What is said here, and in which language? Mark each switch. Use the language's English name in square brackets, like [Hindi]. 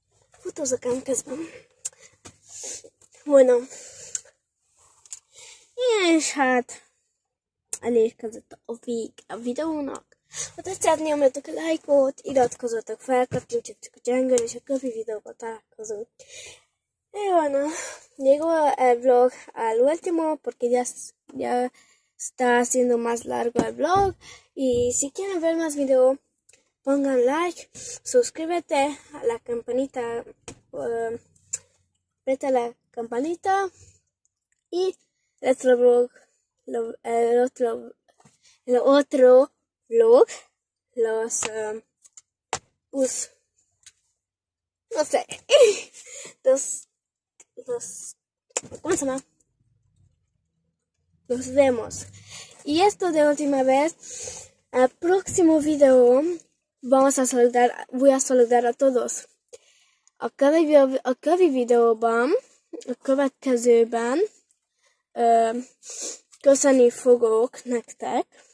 [Hungarian] Futózok ám közben. Bueno. És hát elérkezett a vég a videónak. Ha tetszett, nyomjatok a lájkot, iratkozzatok fel, kattintsatok a csengőt, és a köbbi videóban találkozunk. [Spanish] Jó, van a Diego el vlog al último, porque ya está haciendo más largo el vlog. Y si quieren ver más video, pongan like, suscríbete a la campanita, apriete la campanita y el otro vlog, los, no sé, los, ¿cómo se llama? Los vemos. Y esto de última vez, al próximo video, voy a saludar a todos. [Hungarian] A cada videóban, a következőben, köszönni fogok nektek.